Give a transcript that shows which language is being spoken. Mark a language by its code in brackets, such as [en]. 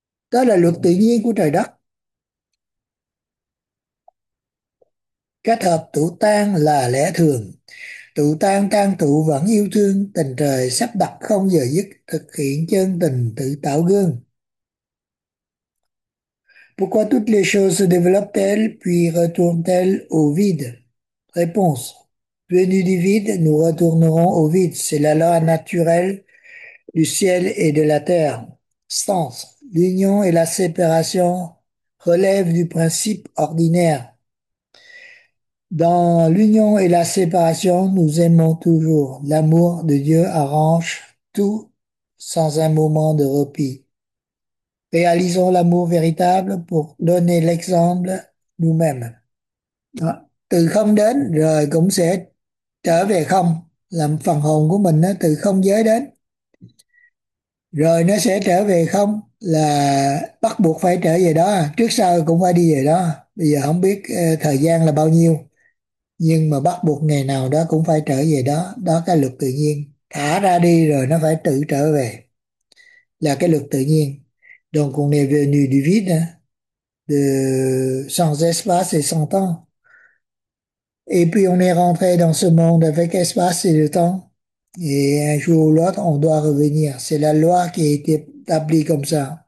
[vi] Đó là luật tự nhiên của trời đất. Kết hợp tụ tan là lẽ thường. Tụ tan tan tụ vẫn yêu thương, tình trời sắp đặt không giờ dứt, thực hiện chân tình tự tạo gương. [fr] Pourquoi toutes les choses se développent-elles puis retournent-elles au vide? Réponse. Venues du vide, nous retournerons au vide. C'est la loi naturelle du ciel et de la terre. Sens. L'union et la séparation relèvent du principe ordinaire. Dans l'union et la séparation, nous aimons toujours. L'amour de Dieu arrange tout sans un moment de répit. Réalisons l'amour véritable pour donner l'exemple nous-mêmes. [vi] Từ không đến rồi cũng sẽ trở về không. Làm phần hồn của mình nó từ không giới đến. Rồi nó sẽ trở về không là bắt buộc phải trở về đó. Trước sau cũng phải đi về đó. Bây giờ không biết thời gian là bao nhiêu. Nhưng mà bắt buộc ngày nào đó cũng phải trở về đó. Đó cái luật tự nhiên. Thả ra đi rồi nó phải tự trở về. Là cái luật tự nhiên. [fr] Donc on est venu du vide, hein? De sans espace et sans temps. Et puis on est rentré dans ce monde avec espace et le temps. Et un jour ou l'autre, on doit revenir. C'est la loi qui a été établie comme ça.